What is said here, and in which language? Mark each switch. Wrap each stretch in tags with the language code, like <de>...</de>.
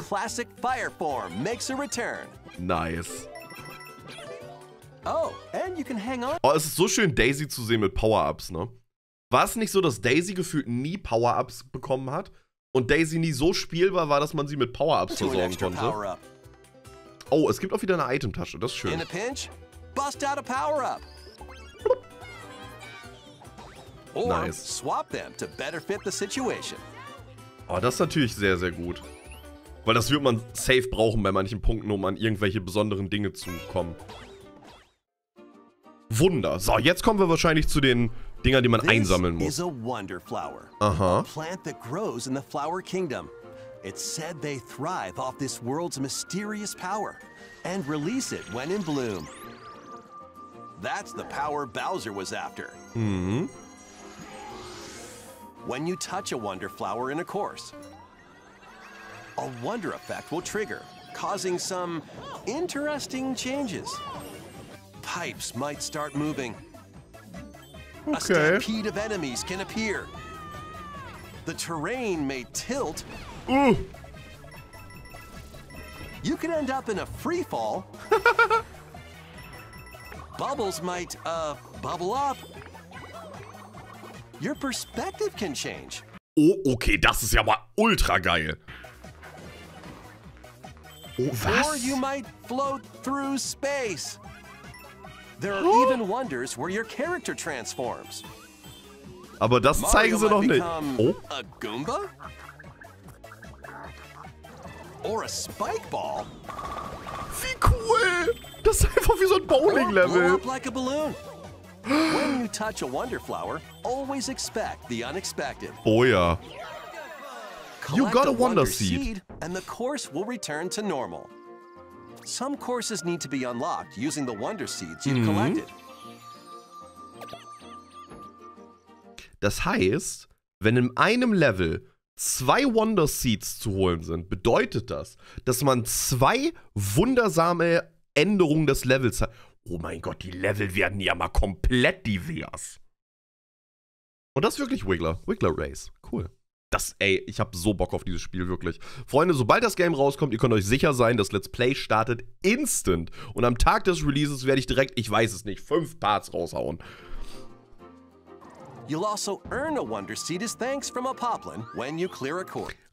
<en>Classic fire form makes a return. Nice. Oh, and you can hang on.</en> <de>Oh, es ist so schön, Daisy zu sehen mit Power-Ups, ne? War es nicht so, dass Daisy gefühlt nie Power-Ups bekommen hat? Und Daisy nie so spielbar war, dass man sie mit Power-Ups versorgen konnte? Oh, es gibt auch wieder eine Item-Tasche, das ist schön.</de> <en>In a pinch, bust out a Power-Up. Nice. Or swap them to better fit the situation.</en> <de>Oh, das ist natürlich sehr, sehr gut. Weil das wird man safe brauchen bei manchen Punkten, um an irgendwelche besonderen Dinge zu kommen. Wunder. So, jetzt kommen wir wahrscheinlich zu den Dingern, die man einsammeln muss.</de> <en>This is a wonder flower. Aha. A plant that grows in the flower kingdom. It's said they thrive off this world's mysterious power and release it when in bloom. That's the power Bowser was after. Mhm. When you touch a wonder flower in a course, a wonder effect will trigger, causing some interesting changes. Pipes might start moving. Okay. A stampede of enemies can appear. The terrain may tilt. Ooh. You could end up in a free fall. Bubbles might, bubble up. Your perspective can change.</en> <de>Oh, okay, das ist ja mal ultra geil. Oh, was?</de> <en>Or you might float through space. There are even wonders where your character transforms.</en> <de>Aber das Mario zeigen sie noch nicht.</de> <en>A Goomba? Or a spike ball?</en> <de>Wie cool! Das ist einfach wie so ein Bowling-Level.</de> <en>Or blow up like a balloon. When you touch a wonder flower, always expect the unexpected. Oh yeah. You got a wonder seed, and the course will return to normal. Some courses need to be unlocked using the wonder seeds you've collected.</en> <de>Das heißt, wenn in einem Level zwei Wonder Seeds zu holen sind, bedeutet das, dass man zwei wundersame Änderungen des Levels hat. Oh mein Gott, die Level werden ja mal komplett divers. Und das ist wirklich Wiggler. Wiggler Race. Cool. Das, ey, ich hab so Bock auf dieses Spiel, wirklich. Freunde, sobald das Game rauskommt, ihr könnt euch sicher sein, das Let's Play startet instant. Und am Tag des Releases werde ich direkt, ich weiß es nicht, 5 Parts raushauen.</de> <en>You'll also earn a Wonder Seed as thanks from a Poplin when you clear a court.</en>